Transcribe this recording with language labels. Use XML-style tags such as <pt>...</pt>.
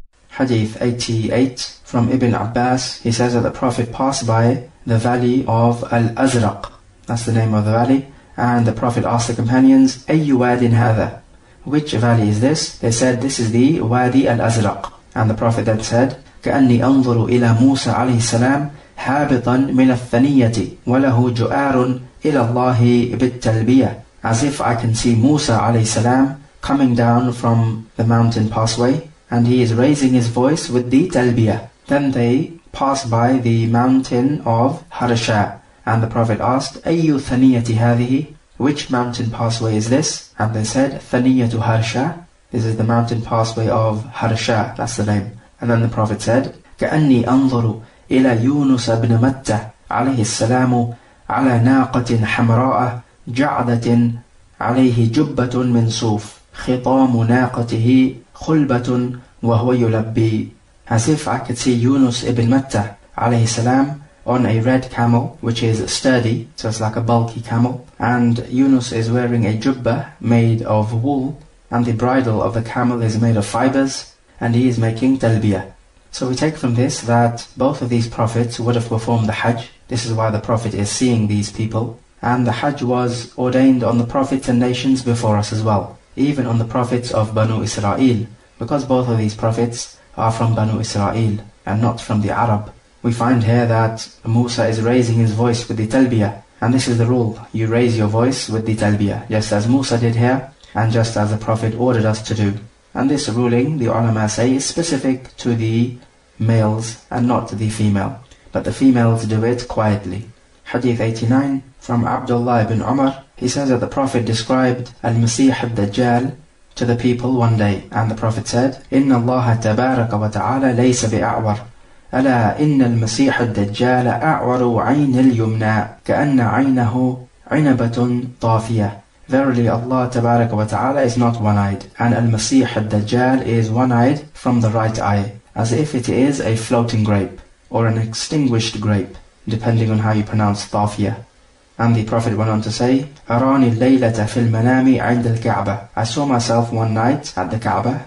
<en>Hadith 88 from Ibn Abbas, he says that the Prophet passed by the valley of Al-Azraq, that's the name of the valley, and the Prophet asked the companions,</en> <ar>أَيُّ وَادٍ هَذَا?</ar> <en>Which valley is this? They said, this is the Wadi Al-Azraq. And the Prophet then said,</en> <ar>كَأَنِّي أَنظُرُ إِلَى مُوسَى عَلَيْهِ السَّلَامِ حَابِطًا مِنَ الثَّنِيَّةِ وَلَهُ جُؤَارٌ إِلَى اللَّهِ بِالتَّلْبِيَةِ.</ar> <en>As if I can see Musa alayhi salam coming down from the mountain passway, and he is raising his voice with the talbiyah. Then they passed by the mountain of Harasha, and the Prophet asked,</en> <ar>أَيُّ ثَنِيَّةِ هَذِهِ?</ar> <en>Which mountain passway is this? And they said, ثَنِيَّةُ Harasha. This is the mountain passway of Harasha, that's the name. And then the Prophet said,</en> <ar>كَأَنِّي أَنظُرُ إِلَى يُونُسَ بْنَ مَتَّةَ عَلَيْهِ السَّلَامُ عَلَى نَاقَةٍ حَمْرَاءَ جَعْدَةٍ عَلَيْهِ جُبَّةٌ مِنْ صُوفٍ خِطَامُ نَاقَتِهِ خُلْبَةٌ وَهُوَ يُلَبِّي.</ar> <en>As if I could see Yunus ibn Matta عليه السلام on a red camel, which is sturdy, so it's like a bulky camel, and Yunus is wearing a jubba made of wool, and the bridle of the camel is made of fibers, and he is making talbiyah. So we take from this that both of these prophets would have performed the Hajj. This is why the Prophet is seeing these people. And the Hajj was ordained on the prophets and nations before us as well, even on the prophets of Banu Israel, because both of these prophets are from Banu Israel and not from the Arab. We find here that Musa is raising his voice with the talbiyah. And this is the rule, you raise your voice with the talbiyah, just as Musa did here, and just as the Prophet ordered us to do. And this ruling, the ulama say, is specific to the males and not to the female. But the females do it quietly. Hadith 89 from Abdullah ibn Umar, he says that the Prophet described Al-Masih al-Dajjal to the people one day. And the Prophet said,</en> <ar>إِنَّ اللَّهَ تَبَارَكَ وَتَعَالَى لَيْسَ بِأَعْوَرَ أَلَا إِنَّ الْمَسِيحَ الدَّجَّالَ أَعْوَرُ عَيْنِ الْيُمْنَى كَأَنَّ عَيْنَهُ عِنَبَةٌ طَافِيَةٌ.</ar> <en>Verily Allah Tabaraka wa Ta'ala is not one-eyed, and Al-Masih al-Dajjal is one-eyed from the right eye, as if it is a floating grape, or an extinguished grape, depending on how you pronounce Tafiyah. And the Prophet went on to say,</en> <ar>أَرَانِ اللَّيْلَةَ فِي الْمَنَامِ عِنْدَ الْكَعْبَةِ.</ar> <en>I saw myself one night at the Kaaba.</en>